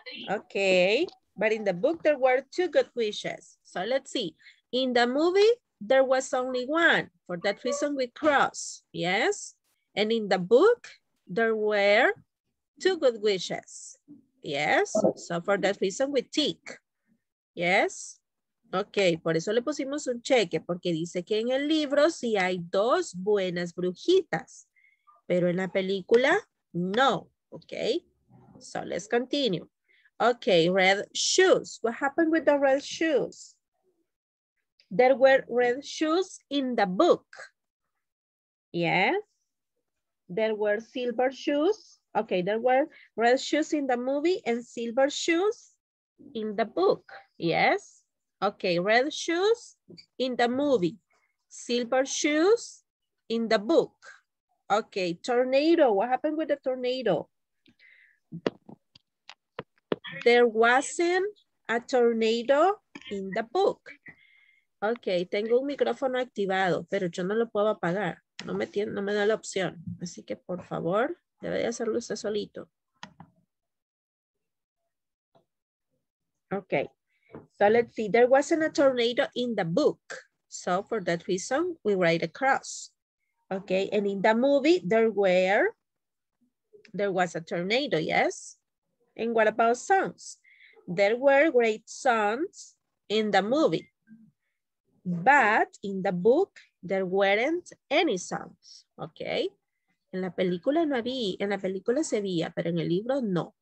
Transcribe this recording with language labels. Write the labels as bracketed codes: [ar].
[en] Okay. But in the book, there were two good witches. So let's see. In the movie, there was only one. For that reason, we cross, yes? And in the book, there were two good witches, yes? So for that reason, we tick, yes? [es] Ok, por eso le pusimos un cheque, porque dice que en el libro sí hay dos buenas brujitas, pero en la película no, ok. [en] So let's continue. Ok, red shoes. What happened with the red shoes? There were red shoes in the book. Yes. There were silver shoes. Ok, there were red shoes in the movie and silver shoes in the book. Yes. Okay, red shoes in the movie, silver shoes in the book. Okay, tornado, what happened with the tornado? There wasn't a tornado in the book. [es] Okay, tengo un micrófono activado, pero yo no lo puedo apagar. No me da la opción. Así que, por favor, debe de hacerlo usted solito. [en] Okay. So let's see, there wasn't a tornado in the book. So for that reason, we write across. Okay, and in the movie, there was a tornado, yes? And what about songs? There were great songs in the movie. But in the book, there weren't any songs, okay? [es] En la película no había, en la película se había, pero en el libro no.